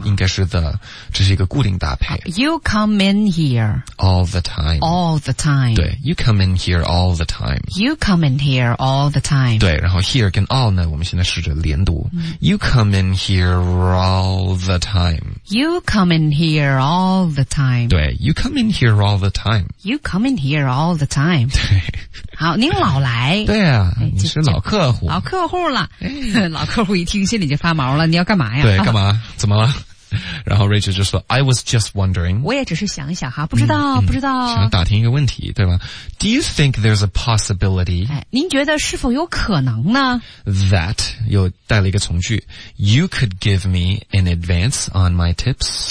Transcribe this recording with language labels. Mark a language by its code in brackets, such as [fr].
[zh] 嗯，应该是 the， 这是一个固定搭配。 [en] You come in here all the time. All the time. 对 ，You come in here all the time. You come in here all the time. [zh] 对，然后 here 跟 all 呢，我们现在试着连读。 [en] You come in here all the time. You come in here all the time. 对 ，You come in here all the time. You come in here all the time. [zh] 对。好，您老来。对啊，你是老客户。老客户了、哎。老客户一听心里就发毛了，你要干嘛呀？对，干嘛？怎么了？然后 Rachel 就说 [en] I was just wondering. [zh] 我也只是想一想哈，不知道、不知道。想打听一个问题，对吧？ [en] Do you think there's a possibility? [zh] 哎，您觉得是否有可能呢？ That 又带了一个从句， [en] You could give me an advance on my tips.